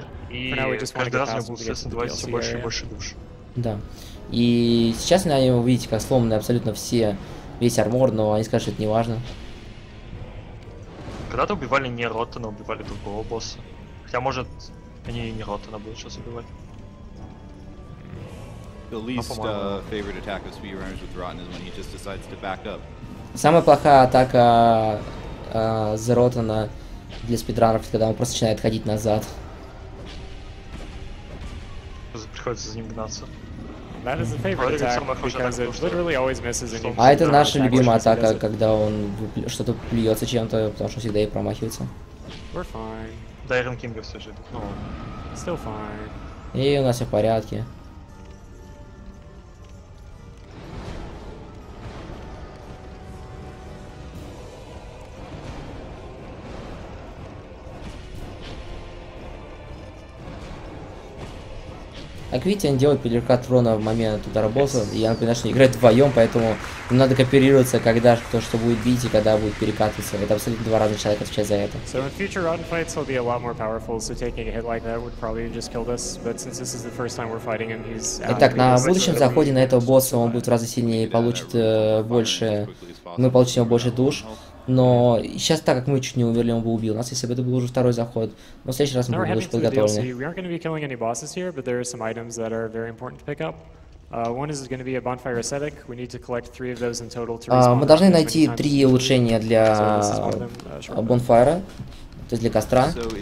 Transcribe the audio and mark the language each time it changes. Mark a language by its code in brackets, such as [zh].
[ru] И каждый раз у него будет, естественно, давать все больше и больше душ. Да. И сейчас, наверное, вы увидите, как сломаны абсолютно все, весь армор, но они скажут, что это не важно. Когда-то убивали не Роттена, убивали другого босса. Хотя, может... Они не Роттена будут сейчас убивать. [en] The least favorite attack of speedrunners with Rotten is when he just decides to back up. [ru] Самая плохая атака за Роттена для спидранеров, когда он просто начинает ходить назад. Приходится за ним гнаться. [en] That is the favorite attack, because it literally always misses any. [ru] А это наша любимая атака, когда он что-то плюется чем-то, потому что всегда и промахивается. [en] We're fine. [ru] Да, Айрон Кинга все же. [en] Still fine. [ru] И у нас все в порядке. Как видите, они делают перекат урона в момент удара босса, и я напоминаю, что играют вдвоем, поэтому им надо кооперироваться, когда кто что будет бить и когда будет перекатываться. Это абсолютно два разных человека сейчас за это. [en] So in future Rotten fights he'll be a lot more powerful, so taking a hit like that would probably just kill us, but since this is the first time we're fighting him, he's... [ru] Итак, на будущем заходе на этого босса он будет в разы сильнее и получит больше... Мы получим больше душ. Но сейчас, так как мы чуть не умерли, он бы убил нас, если бы это был уже второй заход. Но в следующий раз мы будем уже подготовлены. [en] We aren't going to be killing any bosses here, but there are some items that are very important to pick up. One is going to be a bonfire ascetic. We need to collect 3 of those in total to respawn. [ru] Мы должны найти 3 улучшения для бонфайра, то есть для костра.